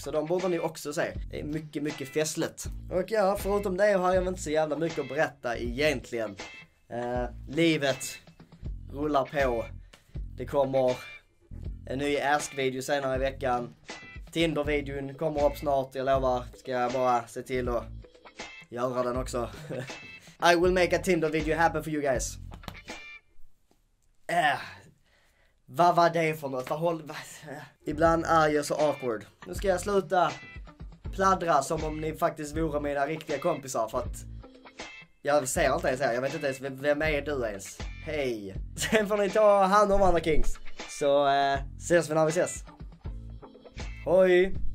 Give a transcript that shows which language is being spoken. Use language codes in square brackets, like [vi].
[sv] Så de borde ni också se. Det är mycket, mycket festligt. Och ja, förutom det har jag inte så jävla mycket att berätta egentligen. Livet rullar på. Det kommer en ny Ask-video senare i veckan. Tinder-videon kommer upp snart, jag lovar. Ska jag bara se till att göra den också. [en] I will make a Tinder-video happen for you guys. [sv] Vad var det för något? Ibland är jag så awkward. Nu ska jag sluta pladdra som om ni faktiskt vore mina riktiga kompisar. För att jag ser inte ens här. Jag vet inte ens vem är du ens. Hej. Sen får ni ta hand om andra kings. Så ses vi när vi ses. Hej.